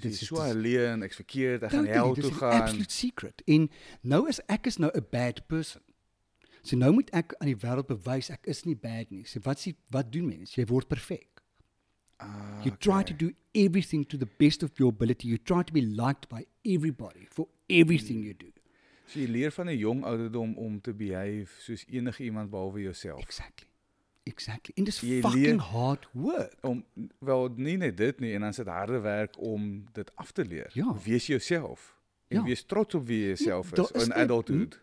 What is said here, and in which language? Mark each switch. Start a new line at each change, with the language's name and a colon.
Afrikaans: Dit is so alleen, ek is verkeerd, ek gaan hel toe gaan. Dit is absolute secret. En nou is ek is nou
English: a bad person.
Afrikaans: So nou moet ek aan die wêreld bewys, ek is nie bad nie. So wat doen mens? Jy word perfek.
English: You try to do everything to the best of your ability. You try to be liked by everybody for everything you do.
Afrikaans: So jy leer van 'n jong ouderdom om te behave soos enige iemand behalwe jouself.
English: Exactly. Exactly.
Afrikaans: En dis
English: fucking hard work.
Afrikaans: Om, wel, nie net dit nie, en dan is dit harde werk om dit af te leer. Ja. Wees jouself. En wees trots op wie jouself is, in adulthood.